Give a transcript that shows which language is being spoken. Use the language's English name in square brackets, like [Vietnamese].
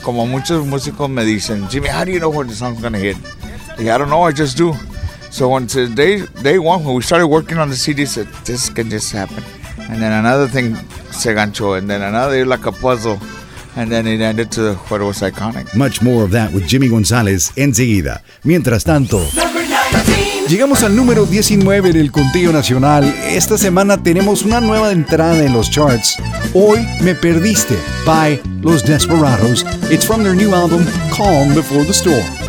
[Spanish] Como muchos músicos me dicen, [English] Jimmy, how do you know what the song's gonna hit? Yeah, I don't know. I just do. So on day one, when we started working on the CD, said, this can just happen. And then another thing, [Spanish] se ganchó. [English] And then another, like a puzzle. And then it ended to what was iconic. Much more of that with Jimmy Gonzalez [Spanish] enseguida. Mientras tanto... [English] Number 19. [Spanish] Llegamos al número 19 del conteo nacional. Esta semana tenemos una nueva entrada en los charts. [English] Hoy Me Perdiste by Los Desperados. It's from their new album, Calm Before the Storm.